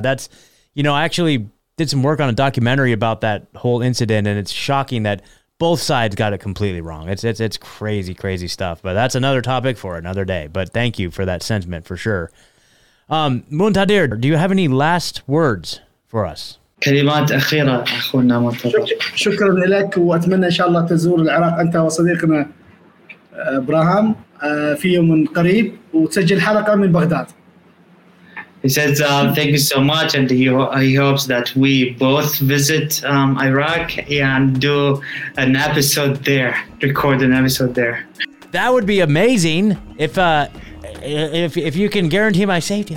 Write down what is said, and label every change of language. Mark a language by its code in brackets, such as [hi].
[en] That's, you know, I actually did some work on a documentary about that whole incident, and it's shocking that both sides got it completely wrong. It's crazy, crazy stuff, but that's another topic for another day. But thank you for that sentiment for sure. Muntadhar, do you have any last words for us? [ar] كلمات أخيرة أخونا منتظر. شكرا لك وأتمنى إن شاء الله تزور العراق أنت وصديقنا إبراهام في يوم قريب وتسجل حلقة من بغداد. [en] He says thank you so much and he hopes that we both visit Iraq and do an episode there, record an episode there. That would be amazing if you can guarantee my safety.